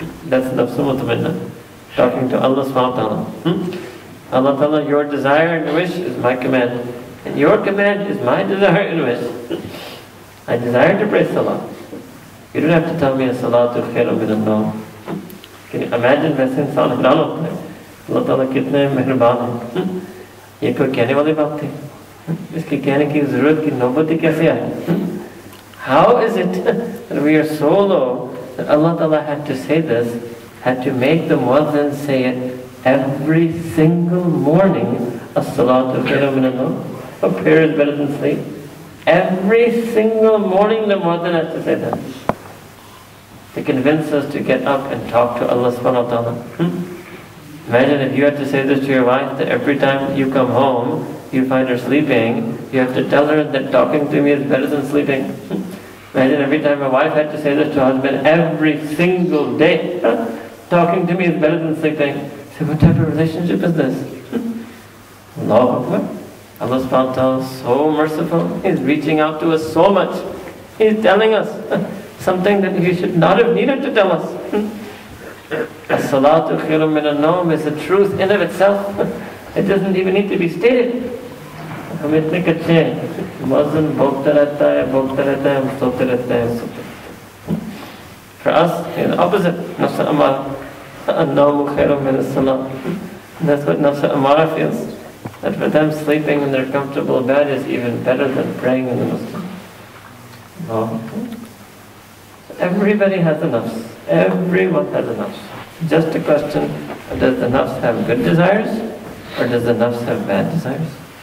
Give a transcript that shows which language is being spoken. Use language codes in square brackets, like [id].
[en] That's nafs al-mutmainna. Talking to Allah subhanahu wa ta'ala. Allah ta'ala, your desire and wish is my command. And your command is my desire and wish. I desire to pray salah. You don't have to tell me a [ar] salatul khairu min al-naw. [en] Can you imagine this in salah na'am? [ur] اللہ تعالیٰ، کتنے مہربان ہے۔ یہ کوئی کہنے والی بات تھی۔ اس کے کہنے کی ضرورت کی نوبتی کیسے آئی؟ [en] How is it that we are so low that Allah ta'ala had to say this, had to make the muazzin say it every single morning, [ar] as-salatu khairu min al-naw. [en] A prayer is better than sleep. Every single morning the mu'adhin has to say that. To convince us to get up and talk to Allah subhanahu wa ta'ala. Imagine if you had to say this to your wife, that every time you come home, you find her sleeping, you have to tell her that talking to me is better than sleeping. Imagine every time a wife had to say this to her husband, every single day, talking to me is better than sleeping. So what type of relationship is this? Allahu Akbar. Allah subhanahu wa ta'ala is so merciful. He's reaching out to us so much. He's telling us something that he should not have needed to tell us. [ar] As-salatu khairun min an-nawm [en] is a truth in of itself. It doesn't even need to be stated. [ur] ہم اتنے کچے ہیں۔ مؤذن بھوگتا رہتا ہے، سوتے رہتا ہے۔ [en] For us, it's the opposite. Nafs al-amara. [ar] An-nawm khairun min as-salat. [en] That's what nafs al-amara feels. That for them, sleeping in their comfortable bed is even better than praying in the masjid. No. Everybody has a nafs. Everyone has a nafs. Just a question, does the nafs have good desires or does the nafs have bad desires?